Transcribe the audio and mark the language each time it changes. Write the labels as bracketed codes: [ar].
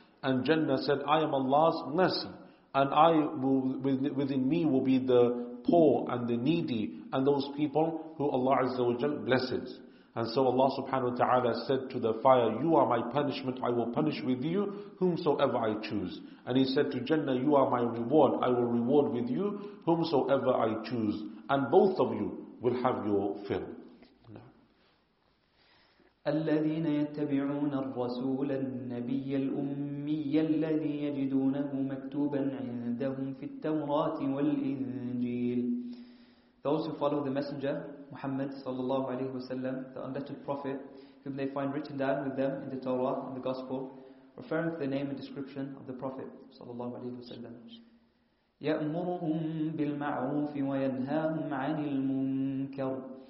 [en] And Jannah said, I am Allah's mercy, and I will, within me will be the poor and the needy and those people who Allah Azza wa Jalla blesses. And so Allah subhanahu wa ta'ala said to the fire, You are my punishment, I will punish with you whomsoever I choose. And He said to Jannah, You are my reward, I will reward with you whomsoever I choose. And both of you will have your fill. [ar] الذين يتبعون الرسول النبي الأمي الذي يجدونه مكتوبا عندهم في التوراة والإنجيل [en] Those who follow the messenger, Muhammad sallallahu alayhi wa sallam, the unlettered prophet, whom they find written down with them in the Torah and the Gospel, referring to the name and description of the prophet sallallahu alayhi wa sallam. [ar] يَأْمُرُهُمْ بِالْمَعْرُوفِ وَيَنْهَاهُمْ عَنِ الْمُنْكَرُ